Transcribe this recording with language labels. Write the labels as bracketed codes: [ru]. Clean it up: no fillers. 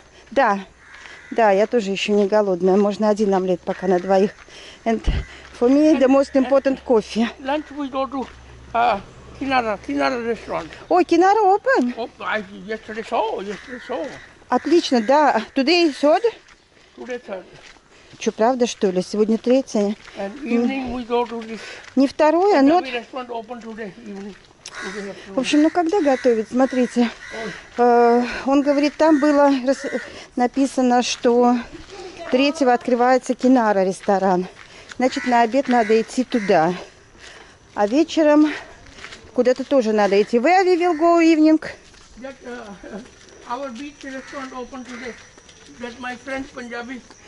[ru] Да. Да, я тоже еще не голодная. Можно один омлет пока на двоих. [en] And for me, the most important coffee. Lunch we go to Kinara restaurant. Oh, Kinara open? Oh, yesterday saw. [ru] Отлично, да. [en] Today is third? Today third. [ru] Что, правда, что ли? Сегодня третья. [en] And evening we go to this. [ru] Не второе, а not... [en] restaurant open today, evening. [ru] В общем, ну когда готовить, смотрите. Он говорит, там было написано, что 3-го открывается Кинара ресторан. Значит, на обед надо идти туда. А вечером куда-то тоже надо идти. [en] Where we will go evening? That, our beach restaurant opened today. That's my friend Punjabi.